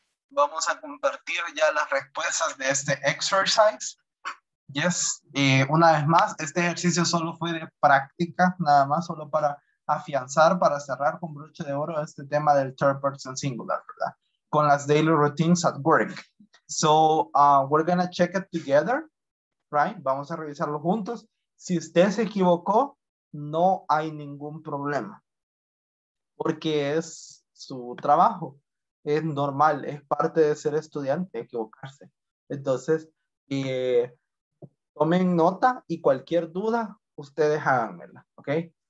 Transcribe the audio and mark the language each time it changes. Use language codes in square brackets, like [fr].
[es] Vamos a compartir ya las respuestas de este exercise. [en] Yes. [es] Una vez más, este ejercicio solo fue de práctica, nada más, solo para afianzar, para cerrar con broche de oro este tema del third person singular, ¿verdad? Con las [en] daily routines at work. So, we're going to check it together, right? [es] Vamos a revisarlo juntos. Si usted se equivocó, no hay ningún problema, porque es su trabajo, es normal, es parte de ser estudiante, equivocarse. Entonces, tomen nota y cualquier duda, ustedes háganmela, ¿ok?